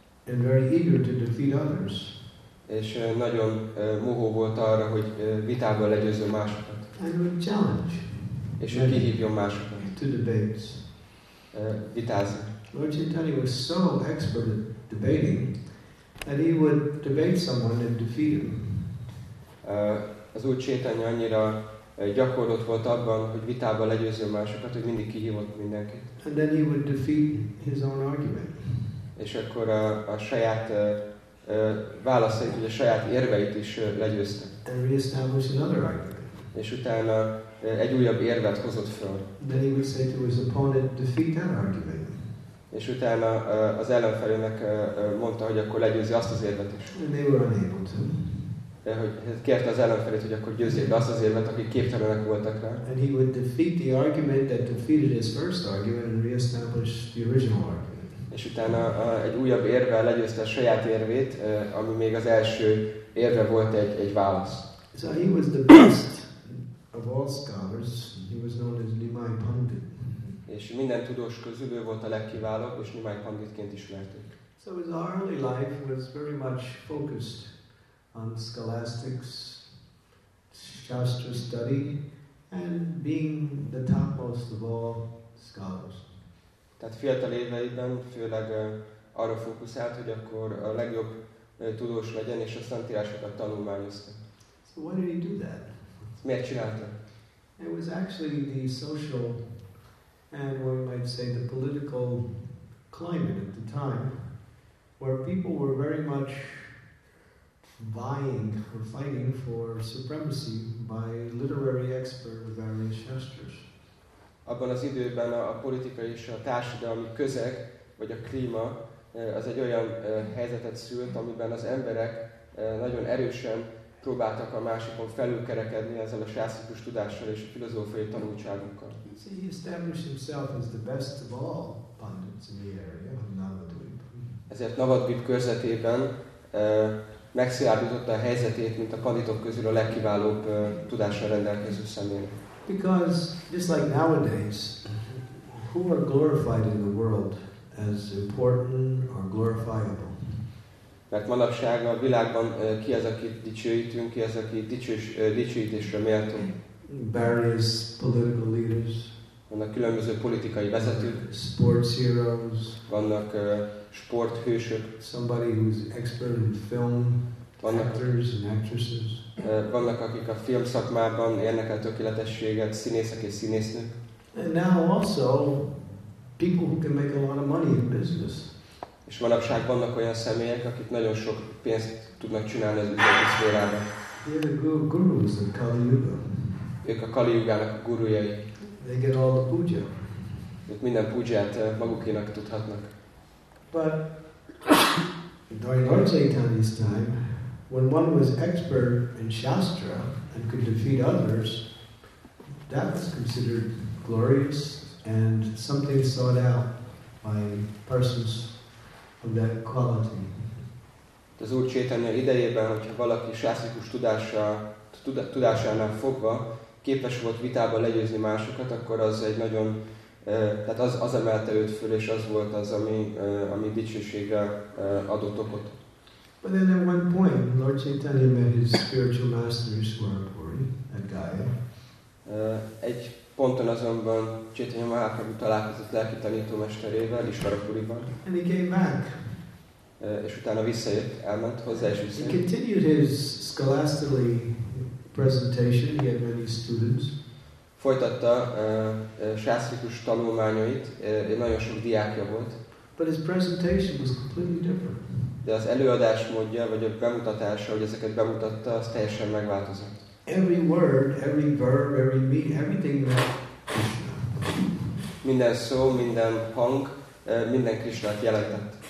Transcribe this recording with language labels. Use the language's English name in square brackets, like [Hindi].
[English] And very eager to defeat others. [Hungarian] És nagyon mohó volt arra, hogy vitában legyőzzön másokat. [English] And would challenge. [Hungarian] És ő kihívjon másokat. [English] To debates. [Hungarian] Vitázni. [English] Lord Chaitanya was so expert at debating that he would debate someone and defeat him. [Hungarian] Az Úr Chaitanya annyira gyakorlott volt abban, hogy vitában legyőzzön másokat, hogy mindig kihívott mindenkit. [English] And then he would defeat his own argument. [Hungarian] És akkor a saját válaszait, hogy a saját érveit is legyőzte. [English] And reestablish another argument. [Hungarian] És utána egy újabb érvet hozott föl. [English] Then he would say to his opponent, defeat that argument. [Hungarian] És utána az ellenfelőnek mondta, hogy akkor legyőzi azt az érvet is. [English] And they were unable to. [Hungarian] Hogy kérte az ellenfelét, hogy akkor győzzék be azt az érvet, akik képtelenek voltak rá. [English] And he would defeat the argument that defeated his first argument and reestablish the original argument. [Hungarian] És utána egy újabb érvvel legyőzte a saját érvét, ami még az első érve volt egy válasz. [English] So he was the best of all scholars. He was known as Nimai Pandit. [Hungarian] És minden tudós közül ő volt a legkiválóbb, és Nimai Panditként ismerték. [English] So his early life was very much focused on scholastics, shastra study, and being the topmost of all scholars. [Hungarian] Tehát fiatal éveiben főleg arra fókuszált, hogy akkor a legjobb tudós legyen, és a szentírásokat tanulmányozta. [English] So why did he do that? [Hungarian] Miért csinálta? [English] It was actually the social and one might say the political climate at the time where people were very much vying or fighting for supremacy by literary expert of various shastras. [Hungarian] Abban az időben a politikai és a társadalmi közeg, vagy a klíma, az egy olyan helyzetet szült, amiben az emberek nagyon erősen próbáltak a másikon felülkerekedni ezzel a sászikus tudással és a filozófiai tanulságokkal. [English] He established himself as the best of all pundits in the area of Navadvip. [Hungarian] Ezért Navadvip körzetében megszilárdította a helyzetét, mint a panditok közül a legkiválóbb tudással rendelkező személy. [English] Because just like nowadays, who are glorified in the world as important or glorifiable? [Hungarian] Mert manapság a világban ki az, akit dicsőítünk, ki az, aki dicsőítésre méltó? [English] Various political leaders. [Hungarian] Vannak különböző politikai vezetők. [English] Sports heroes. [Hungarian] Vannak sporthősök. [English] Somebody who's expert in film. [Hungarian] Vannak, [English] actors and actresses. [Hungarian] Vannak, akik a film szakmában érnek el tökéletességet, színészek és színésznők. [English] And now also people who can make a lot of money in business. [Hungarian] És manapság vannak olyan személyek, akik nagyon sok pénzt tudnak csinálni az üzleti szférában. [English] They're the gurus of Kali Yuga. [Hungarian] Ők a Kali Yugának a gurujai. [English] They get all the puja. [Hungarian] Ők minden pujját magukénak tudhatnak. [English] But during Dharmacaitanya's time, when one was expert in Shastra and could defeat others, that was considered glorious and something sought out by persons of that quality. [Hungarian] Az Úr Chaitanya idejében, hogyha valaki sászikus tudásánál fogva képes volt vitában legyőzni másokat, akkor az egy nagyon, tehát az emelte őt föl, és az volt az, ami dicsőségre adott okot. [English] But then at one point, Lord Chaitanya met his spiritual master, Swarupuri, at Gaya. [Hungarian] Egy ponton azonban Chaitanya Mahaprabhu találkozott lelki tanítómesterével, Swarupuriban. [English] And he came back. [Hungarian] És utána visszajött, elment hozzá, és visszajött. [English] He continued his scholastically presentation. He had many students. [Hungarian] Folytatta sászikus tanulmányait, nagyon sok diákja volt. [English] But his presentation was completely different. [Hungarian] De az előadásmódja, vagy a bemutatása, hogy ezeket bemutatta, az teljesen megváltozott. [English] Every word, every verb, every meaning, everything was Krishna. [Hungarian] Minden szó, minden hang, minden Krishnát jelentett.